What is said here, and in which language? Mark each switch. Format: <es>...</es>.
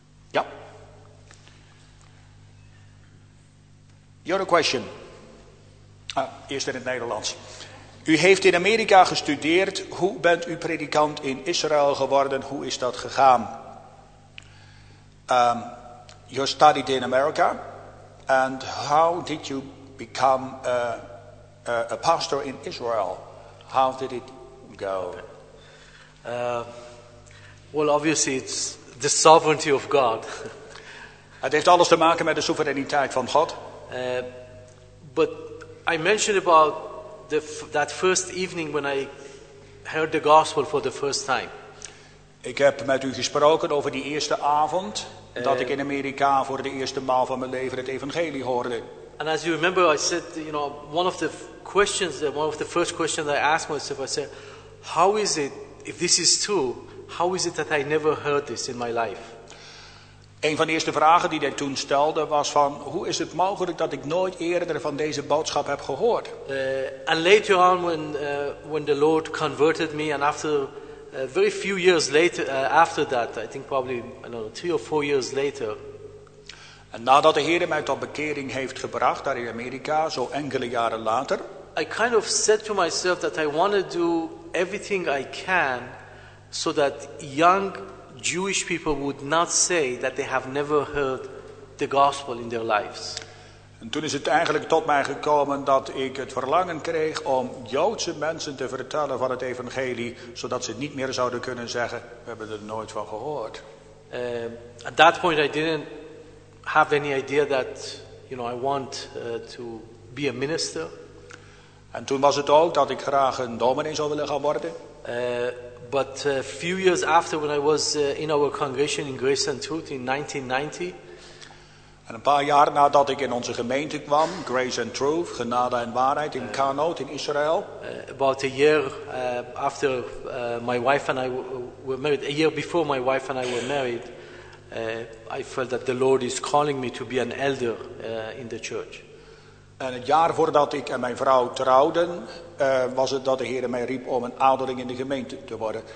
<nl>Ja.</nl> <en>Your question.</en> <nl>Eerst in het Nederlands. U heeft in Amerika gestudeerd. Hoe bent u predikant in Israël geworden? Hoe is dat gegaan?</nl> <en>You studied in America. And how did you become a pastor in Israel? How did it go? Well, obviously, it's the sovereignty of God.</en> <nl>Het heeft alles te maken met de soevereiniteit van God.</nl> <en>But I mentioned about that first evening when I heard the gospel for the first time.</en> <nl>Ik heb met u gesproken over die eerste avond dat ik in Amerika voor de eerste maal van mijn leven het evangelie hoorde.</nl> <en>And as you remember, I said, you know, one of the first questions I asked myself, I said, how is it, if this is true, how is it that I never heard this in my life?</en> <nl>Een van de eerste vragen die hij toen stelde was van, hoe is het mogelijk dat ik nooit eerder van deze boodschap heb gehoord?</nl> <en>And later on, when the Lord converted me, and after very few years later, after that, I think probably, I don't know, 3 or 4 years later.</en> <nl>En nadat de Heer mij tot bekering heeft gebracht, daar in Amerika, zo enkele jaren later.</nl> <en>I kind of said to myself that I want to do everything I can, so that young Jewish people would not say that they have never heard the gospel in their lives.</en> <nl>En toen is het eigenlijk tot mij gekomen dat ik het verlangen kreeg om Joodse mensen te vertellen van het evangelie, zodat ze niet meer zouden kunnen zeggen, we hebben er nooit van gehoord.</nl> <en>At that point I didn't have any idea that, you know, I want to be a minister.</en> <nl>En toen was het ook dat ik graag een dominee zou willen gaan worden.</nl> <en>But a few years after, when I was in our congregation in Grace and Truth in 1990.</en> <nl>En een paar jaar nadat ik in onze gemeente kwam, Grace and Truth, Genade en Waarheid in Kanot in Israël.</nl> <en>About a year after my wife and I were married, a year before my wife and I were married, I felt that the Lord is calling me to be an elder in the church.</en> <nl>En het jaar voordat ik en mijn vrouw trouwden, was het dat de Heer mij riep om een ouderling in de gemeente te worden.</nl>